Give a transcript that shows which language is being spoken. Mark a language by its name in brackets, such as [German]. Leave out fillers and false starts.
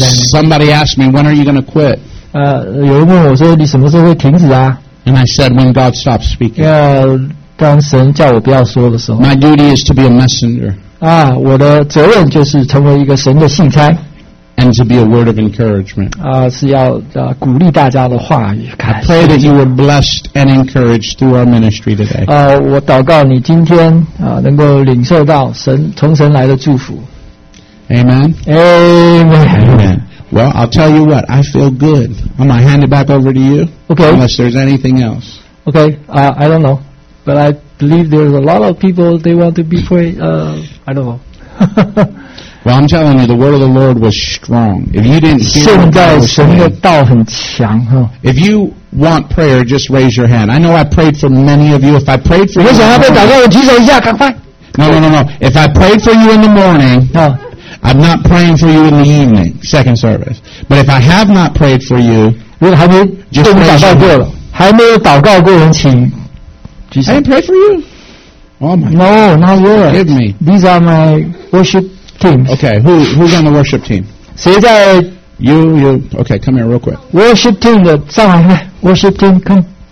[English] Somebody asked me, when are you going to quit? [Chinese] 有人问我说, 你什么时候会停止啊? [English] And I said, when God stops speaking. [Chinese] 当神叫我不要说的时候。 [English] My duty is to be a messenger. [Chinese] 啊，我的责任就是成为一个神的信差。 [English] And to be a word of encouragement. [Chinese] 啊，是要鼓励大家的话语。 [English] I pray that you were blessed and encouraged through our ministry today. [Chinese] 啊，我祷告你今天啊能够领受到神从神来的祝福。 [English] Amen. Amen. Amen. Well, I'll tell you what. I feel good. I'm going to hand it back over to you. Okay. Unless there's anything else. Okay. I don't know. But I believe there's a lot of people they want to be prayed. I don't know. Well, I'm telling you, the word of the Lord was strong. If you didn't hear what God was saying, [Chinese] 神的道很强, huh? [English] If you want prayer, just raise your hand. I know I prayed for many of you. If I prayed for you, [Chinese] 我想要被祷告，我举手一下，赶快。 [English] No. If I prayed for you in the morning, I'm not praying for you in the evening, second service. But if I have not prayed for you, [Chinese] 如果还没就祷告过了，还没有祷告过人，请举手。 [English] I didn't pray for you. Oh my. No, not yet. Forgive me. These are my worship team. Okay, who's on the worship team? [Chinese] 谁在 [English] you. Okay, come here real quick. Worship team [Chinese] 的上来来 [English] ，worship team come.